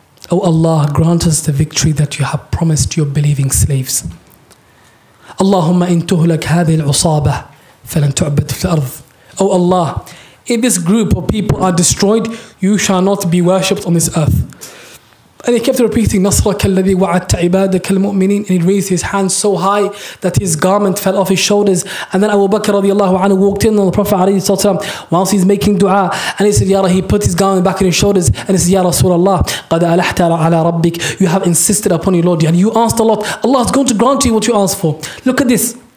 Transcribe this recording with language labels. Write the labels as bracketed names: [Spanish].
[English] O Allah, grant us the victory that you have promised your believing slaves. [Arabic] Allahumma in tuhlak hadhi al-usaba falan tu'abad fil ard. [English] O Allah, if this group of people are destroyed, you shall not be worshipped on this earth. And he kept repeating, [Arabic] نَصْرَكَ الَّذِي وَعَدْتَ عِبَادَكَ الْمُؤْمِنِينَ. [English] And he raised his hands so high that his garment fell off his shoulders. And then Abu Bakr radiallahu anhu walked in on the Prophet whilst he's making dua. And he said, Ya Rasulullah, he put his garment back on his shoulders. And he said, Ya Rasulullah, [Arabic] قَدْ أَلَحْتَ عَلَى رَبِّكَ. [English] You have insisted upon your Lord. And you asked a lot. Allah is going to grant you what you asked for. Look at this.